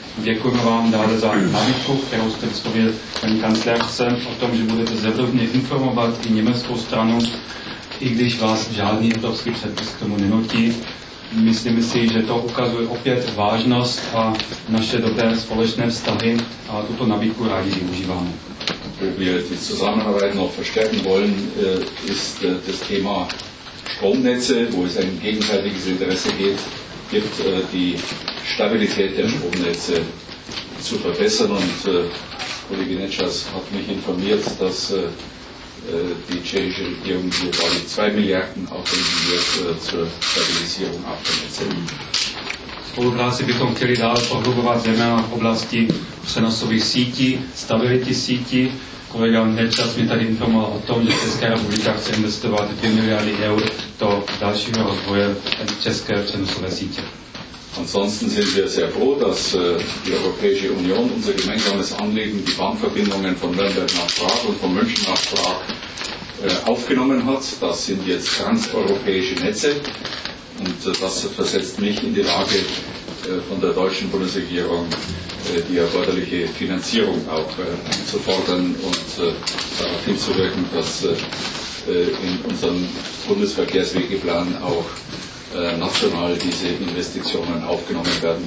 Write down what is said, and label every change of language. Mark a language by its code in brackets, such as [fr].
[cs] Děkujeme vám dále za námitku, kterou jste vyslovil paní kancléřce, o tom, že budete zevrovně informovat i německou stranu, i když vás žádný evropský předpis k tomu nenutí. Myslíme si, že to ukazuje opět vážnost a naše dobré společné vztahy a tuto nabídku rádi využíváme. [de] Wir die Zusammenarbeit noch verstärken wollen, ist das Thema Stromnetze, wo es ein gegenseitiges Interesse geht, gibt, die Stabilität der Stromnetze zu verbessern. Und Kollege Netschers hat mich informiert, dass die tschechische Regierung hier bei 2 Milliarden aufwenden wird zur Stabilisierung auf der Netze. [cs] Spolupráci bychom chtěli dále prohlubovat zejména v oblasti přenosových sítí, stability sítí. Kolega Nečas mi tady informoval o tom, že Česká republika chce investovat 2 miliardy eur do dalšího rozvoje české přenosové sítě. [de] Ansonsten sind wir sehr froh, dass die Europäische Union unser gemeinsames Anliegen, die Bahnverbindungen von Nürnberg nach Prag und von München nach Prag aufgenommen hat. Das sind jetzt transeuropäische Netze. Und das versetzt mich in die Lage, von der deutschen Bundesregierung die erforderliche Finanzierung auch zu fordern und darauf hinzuwirken, dass in unserem Bundesverkehrswegeplan auch national diese Investitionen aufgenommen werden.